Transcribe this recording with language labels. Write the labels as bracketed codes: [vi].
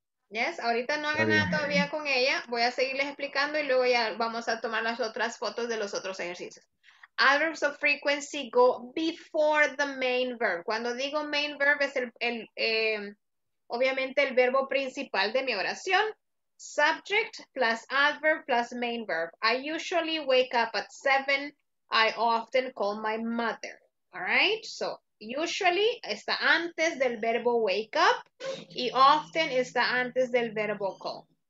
[es] Yes, ahorita no haga nada todavía con ella. Voy a seguirles explicando y luego ya vamos a tomar las otras fotos de los otros ejercicios. [en] Adverbs of frequency go before the main verb. [es] Cuando digo main verb es obviamente el verbo principal de mi oración. [en] Subject plus adverb plus main verb. I usually wake up at 7. I often call my mother. All right, so. [es] Usually está antes del verbo wake up y often está antes del verbo call.